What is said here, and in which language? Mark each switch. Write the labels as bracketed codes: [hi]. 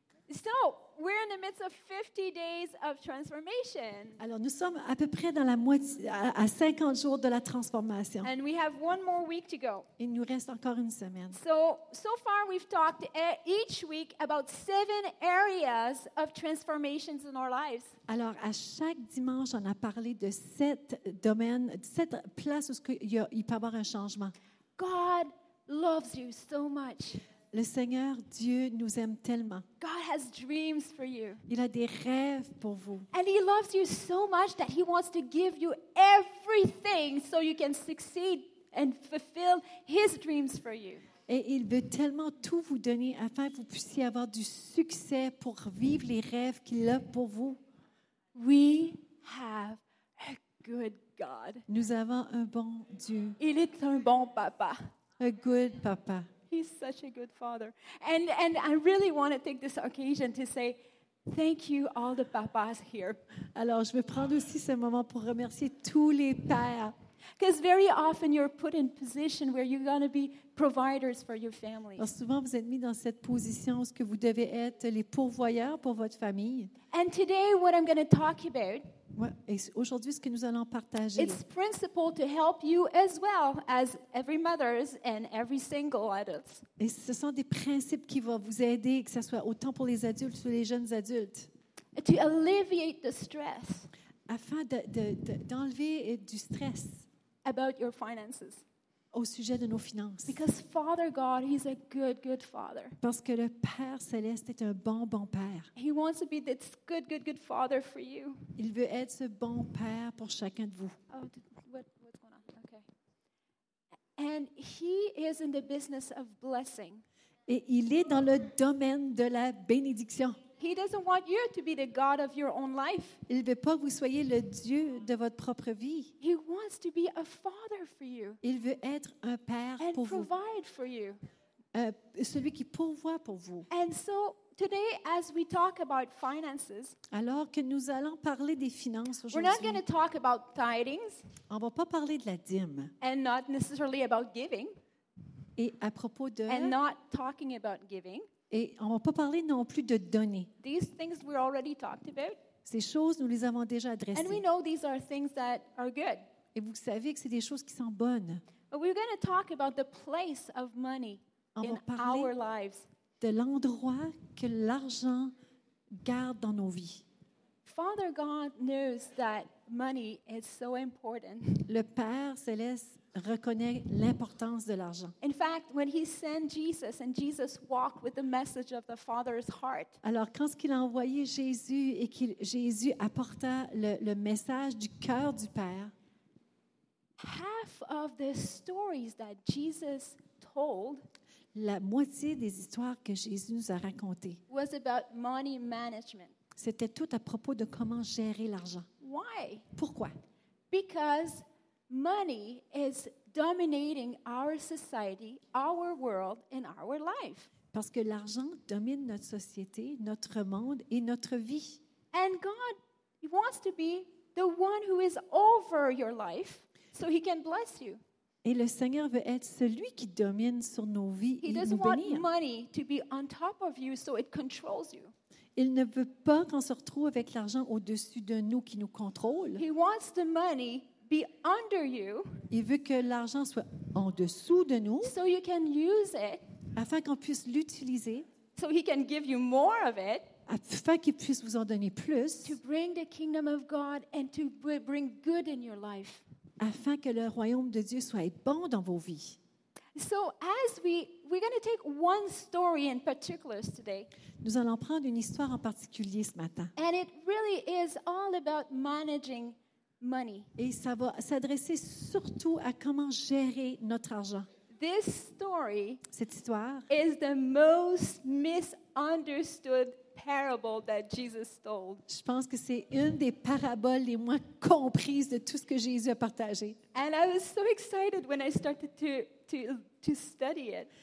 [en] So, we're in the midst of 50 days of transformation. [fr] Alors, nous sommes à peu près dans la moitié, à 50 jours de la transformation. [en] And we have one more week to go. [fr] Il nous reste encore une semaine. [en] So far we've talked each week about 7 areas of transformations in our lives. [fr] Alors, à chaque dimanche, on a parlé de 7 domaines, 7 places où il peut y avoir un changement. [en] God loves you so much. [fr] Le Seigneur Dieu nous aime tellement. [en] God has dreams for you. [fr] Il a des rêves pour vous. [en] And he loves you so much that he wants to give you everything so you can succeed and fulfill his dreams for you. [fr] Et il veut tellement tout vous donner afin que vous puissiez avoir du succès pour vivre les rêves qu'il a pour vous. [en] We have a good God. [fr] Nous avons un bon Dieu. Il est un bon papa. [en] A good papa. He's such a good father. And I really want to take this occasion to say thank you all the papas here. [fr] Alors, je vais prendre aussi ce moment pour remercier tous les pères. [en] Because very often you're put in position where you're going to be providers for your family. [fr] Alors, souvent vous êtes mis dans cette position où ce que vous devez être les pourvoyeurs pour votre famille. [en] And today what I'm going to talk about, [fr] et aujourd'hui, ce que nous allons partager, [en] it's principle to help you as well as every mother's and every single adult's. [fr] Et ce sont des principes qui vont vous aider, que ce soit autant pour les adultes ou les jeunes adultes. [en] To alleviate the stress. [fr] Afin d'enlever du stress. [en] About your finances. [fr] Au sujet de nos finances. [en] Because Father God, he's a good, good father. [fr] Parce que le Père céleste est un bon, bon père. [en] He wants to be this good, good, good father for you. [fr] Il veut être ce bon père pour chacun de vous. [en] Oh, what's going on? Okay. And he is in the business of blessing. [fr] Et il est dans le domaine de la bénédiction. [en] He doesn't want you to be the God of your own life. [fr] Il veut pas que vous soyez le Dieu de votre propre vie. [en] He wants to be a father for you. [fr] Il veut être un père pour vous. [en] And provide for you. [fr] Celui qui pourvoit pour vous. [en] And so today, as we talk about finances, [fr] alors que nous allons parler des finances aujourd'hui, [en] we're not going to talk about tithings. [fr] On va pas parler de la dîme. [en] And not necessarily about giving. [fr] Et à propos de. [en] And not talking about giving. [fr] Et on ne va pas parler non plus de données. [en] These things we already talked about. [fr] Ces choses, nous les avons déjà adressées. [en] And we know these are things that are good. [fr] Et vous savez que c'est des choses qui sont bonnes. [en] But we're going to talk about the place of money in our lives. [fr] De l'endroit que l'argent garde dans nos vies. [en] Father God knows that money is so important. [fr] Le Père céleste reconnaît l'importance de l'argent. [en] In fact, when he sent Jesus and Jesus walked with the message of the Father's heart. [fr] Alors quand ce qu'il a envoyé Jésus et qu'il Jésus apporta le message du cœur du Père. [en] Half of the stories that Jesus told. [fr] La moitié des histoires que Jésus nous a racontées. [en] Was about money management. [fr] C'était tout à propos de comment gérer l'argent. [en] Why? [fr] Pourquoi? [en] Because money is dominating our society, our world, and our life. [fr] Parce que l'argent domine notre société, notre monde et notre vie. [en] And God wants to be the one who is over your life so he can bless you. [fr] Et le Seigneur veut être celui qui domine sur nos vies et nous bénir. [en] He doesn't want money to be on top of you so it controls you. [fr] Il ne veut pas qu'on se retrouve avec l'argent au-dessus de nous qui nous contrôle. [en] He wants the money be under you. [fr] Il veut que l'argent soit en dessous de nous. [en] So you can use it. [fr] Afin qu'on puisse l'utiliser. [en] So he can give you more of it. [fr] Afin qu'il puisse vous en donner plus. [en] To bring the kingdom of God and to bring good in your life. [fr] Afin que le royaume de Dieu soit bon dans vos vies. [en] So as we're going to take one story in particular today. [fr] Nous allons prendre une histoire en particulier ce matin. [en] And it really is all about managing money. [fr] Et ça va s'adresser surtout à comment gérer notre argent. [en] This story, [fr] cette histoire, [en] is the most misunderstood parable that Jesus told. [fr] Je pense que c'est une des paraboles les moins comprises de tout ce que Jésus a partagé. [en] And I was so excited when I started to study it.